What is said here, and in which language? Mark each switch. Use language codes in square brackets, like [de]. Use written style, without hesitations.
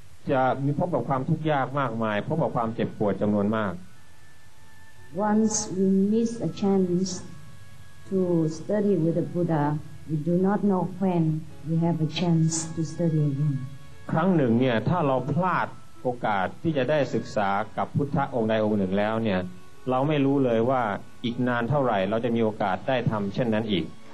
[th] จะมีพบกับความทุกข์ยากมากมายพบกับความเจ็บปวดจำนวนมาก [en] Once we miss a chance to study with the Buddha, we do not know when we have a chance to study again. [th] ครั้งหนึ่งเนี่ยถ้าเราพลาดโอกาสที่จะได้ศึกษากับพุทธะองค์ใดองค์หนึ่งแล้วเนี่ยเราไม่รู้เลยว่า อีกนานเท่าไหร่เราจะมีโอกาสได้ทำเช่นนั้นอีก